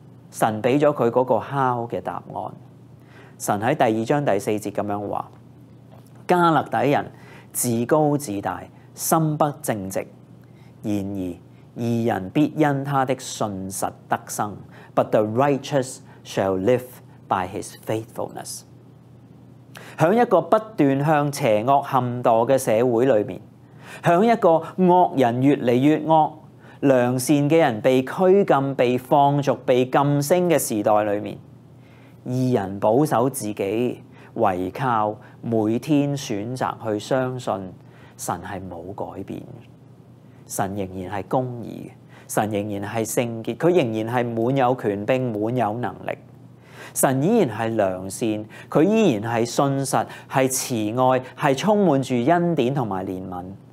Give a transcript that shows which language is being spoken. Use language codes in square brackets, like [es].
[zh] 神给了他那个敲的答案。神在第二章第四节这样说，加勒底人自高自大，心不正直，然而义人必因他的信实得生。 [en] But the righteous shall live by his faithfulness。 [zh] 在一个不断向邪恶陷堕的社会里面，在一个恶人越来越恶，良善的人被拘禁、被放逐、被禁升的时代里面，义人保守自己，唯靠每天选择去相信神是没有改变的，神仍然是公义的，神仍然是圣洁，祂仍然是满有权柄、满有能力，神依然是良善，祂依然是信实、是慈爱、是充满着恩典和怜悯。